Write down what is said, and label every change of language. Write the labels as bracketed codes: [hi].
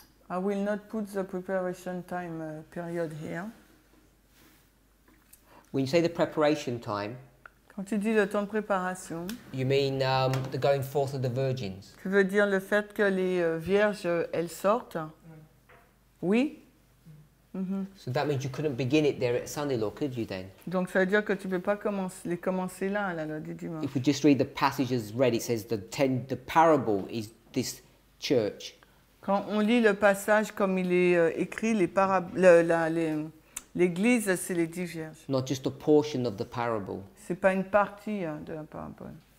[en] I will not put the preparation time period here. When you say the preparation time, [fr] quand tu dis le temps de préparation, [en] you mean the going forth of the virgins. [fr] Tu veux dire le fait que les vierges elles sortent? Mm. Oui. Mm. Mm-hmm. [en] So that means you couldn't begin it there at Sunday law, could you then? [fr] Donc ça veut dire que tu peux pas commencer là à la loi du dimanche. [en] If we just read the passage as read, it says the parable is this church. [fr] Quand on lit le passage comme il est écrit, l'église, c'est les dix vierges. [en] Not just a portion of the parable. [fr] C'est pas une partie de la parabole.